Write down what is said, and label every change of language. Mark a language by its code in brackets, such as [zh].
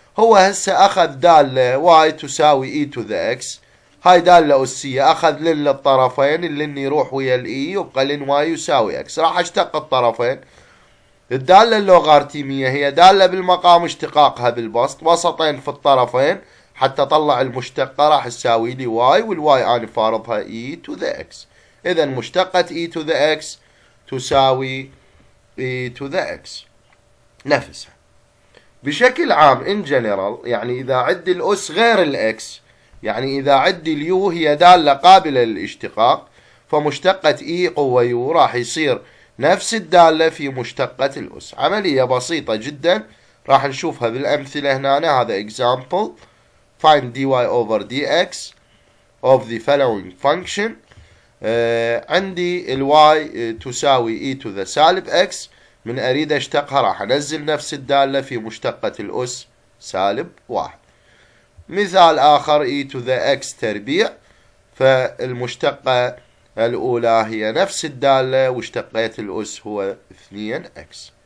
[ar] هو هسه أخذ دالة y تساوي [en] e to the x [ar] هاي دالة أسية أخذ لن للطرفين اللي إني يروح ويا الـ e يبقى لن y يساوي x راح أشتق الطرفين. الدالة اللوغارتمية هي دالة بالمقام اشتقاقها بالبسط وسطين في الطرفين حتى طلع المشتقة راح تساوي لي y والy انا فارضها [en] e to the x. [ar] اذا مشتقة [en] e to the x [ar] تساوي e to the x نفسها. بشكل عام [en] in general [ar] يعني اذا عدي الاس غير الx يعني اذا عدي اليو هي دالة قابلة للاشتقاق فمشتقة e قوة يو راح يصير نفس الدالة في مشتقة الاس. عملية بسيطة جدا راح نشوفها بالامثلة هنا هذا [en] example find dy over dx of the following function. [ar] عندي الy تساوي [en] e to the [ar] سالب x من اريد اشتقها راح انزل نفس الدالة في مشتقة الاس سالب 1. مثال اخر [en] e to the x [ar] تربيع فالمشتقة الاولى هي نفس الدالة واشتقيت الاس هو 2x.